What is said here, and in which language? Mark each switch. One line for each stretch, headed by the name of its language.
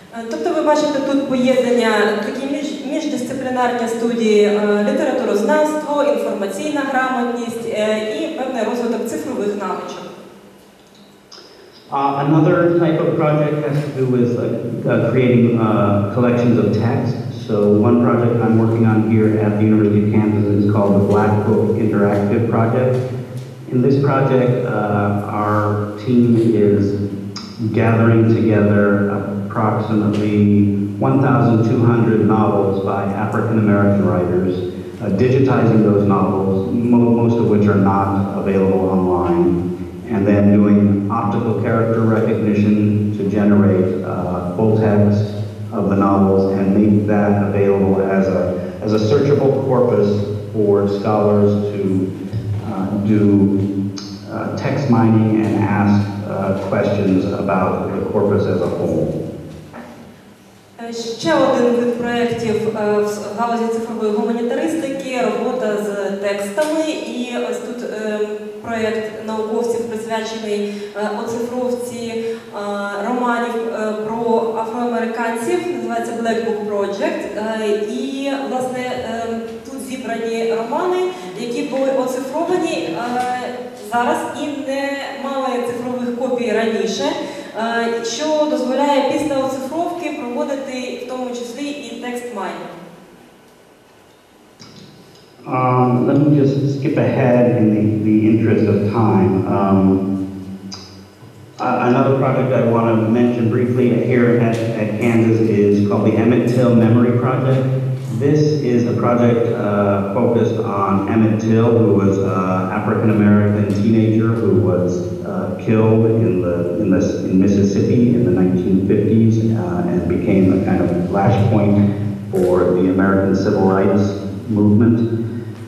Ukrainian: Тобто ви бачите тут поєднання, такі міждисциплінарні студії, літературознавство, інформаційна грамотність і певний розвиток цифрових навичок.
English: Another type of project has to do with creating collections of text. So one project I'm working on here at the University of Kansas is called the Black Book Interactive Project. In this project, our team is gathering together approximately 1,200 novels by African American writers, digitizing those novels, most of which are not available online, and then doing optical character recognition to generate full text of the novels and make that available as a searchable corpus for scholars to do text mining and ask questions about the corpus as a whole.
Ukrainian: Ще один вид проєктів в галузі цифрової гуманітаристики – робота з текстами. І ось тут проєкт науковців, присвячений оцифровці романів про афроамериканців, називається Black Book Project. І, власне, тут зібрані романи, які були оцифровані зараз і не мали цифрових копій раніше, що дозволяє після оцифровки проводити в тому числі і текст майнінг.
English: Let me just skip ahead in the interest of time. Another project I want to mention briefly here at Kansas is called the Emmett Till Memory Project. This is a project focused on Emmett Till, who was an African-American teenager who was killed in Mississippi in the 1950s and became a kind of flashpoint for the American Civil Rights Movement.